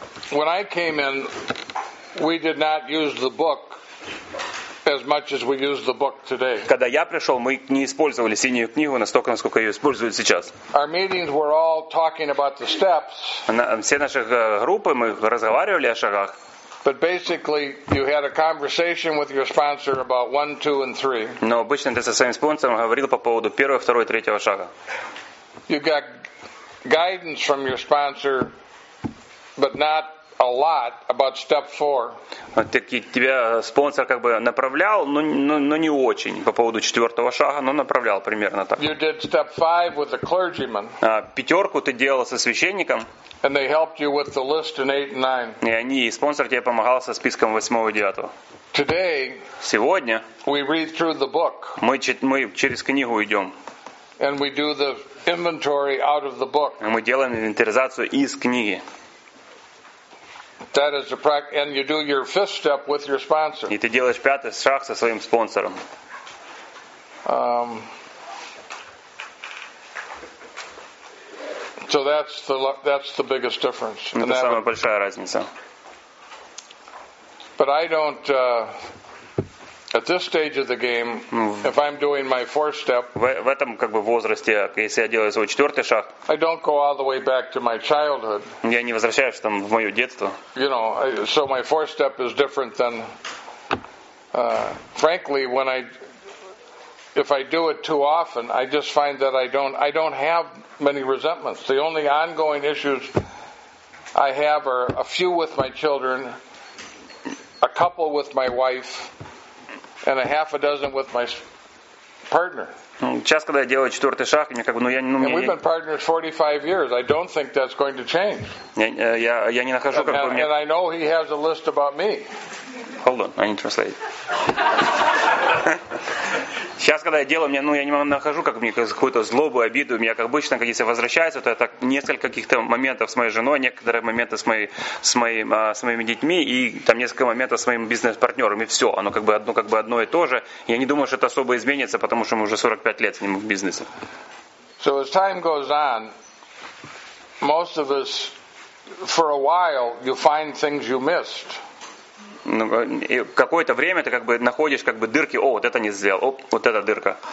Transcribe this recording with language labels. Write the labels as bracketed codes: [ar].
[en] When I came in, we did not use the book as much as we use the book today. [ru] Когда я пришел, мы не использовали синюю книгу настолько, насколько ее используют сейчас. [en] Our meetings were all talking about the steps. [ru] Все наши группы мы разговаривали о шагах. [en] But basically, you had a conversation with your sponsor about 1, 2, and 3. [ru] Но обычно ты со своим спонсором говорил по поводу первого, второго, третьего шага. [en] You got guidance from your sponsor, but not a lot about step 4. [ru] Тебя спонсор как бы направлял, но не очень по поводу четвертого шага, но направлял примерно так. [en] You did step 5 with the clergyman. [ru] А пятерку ты делал со священником. [en] And they helped you with the list in 8 and 9. [ru] И они, спонсор тебе помогал со списком 8 и 9. [en] Today, [ru] сегодня, [en] we read through the book. [ru] Мы через книгу идем. [en] And we do the inventory out of the book. [ru] И мы делаем инвентаризацию из книги. [en] That is a practice, and you do your fifth step with your sponsor. [ru] И ты делаешь пятый шаг со своим спонсором. [en] So that's the biggest difference. [ru] Это самая большая разница. [en] But I don't. At this stage of the game, if I'm doing my fourth step, [ru] в этом как бы возрасте, если я делаю свой четвертый шаг, [en] I don't go all the way back to my childhood. [ru] Я не возвращаюсь там в моё детство. [en] You know, so my fourth step is different than, frankly, when I. If I do it too often, I just find that I don't have many resentments. The only ongoing issues I have are a few with my children, a couple with my wife, and a half a dozen with my partner. [ru] Сейчас, когда я делаю четвертый шаг, мне как бы, [en] And we've been partners 45 years. I don't think that's going to change. [ru] Я не нахожу как бы мне. [en] And I know he has a list about me. Hold on, I need to translate. [ru] Сейчас, когда я делаю, мне, я не нахожу как мне какую-то злобу, обиду. Меня как обычно, когда я возвращаюсь, то это несколько каких-то моментов с моей женой, некоторые моменты с моими детьми и там несколько моментов с моим бизнес-партнером. И все, оно как бы одно и то же. Я не думаю, что это особо изменится, потому что мы уже 45 лет с ним в бизнесе. [en] So as time goes on, most of us, for a while, you find things you missed. [ru] Ну, какое-то время ты как бы находишь как бы дырки, о, вот это не сделал, оп, вот эта дырка.